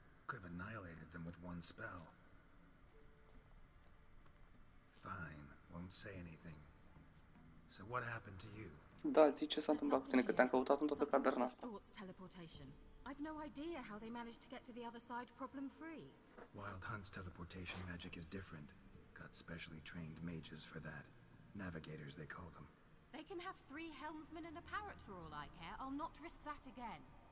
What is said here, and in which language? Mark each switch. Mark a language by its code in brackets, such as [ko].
[en] Could have annihilated them with one spell. Fine, won't say anything. So what happened to you? [ro] Da, zici ce s-a întâmplat cu tine, că te-am căutat în toată caverna asta. [en] I've no idea how they managed to get to the other side problem free. Wild Hunt's teleportation magic is different. Got specially trained mages for that. Navigators, they call them. They can have three helmsmen and a parrot for all I care. I'll not risk that again.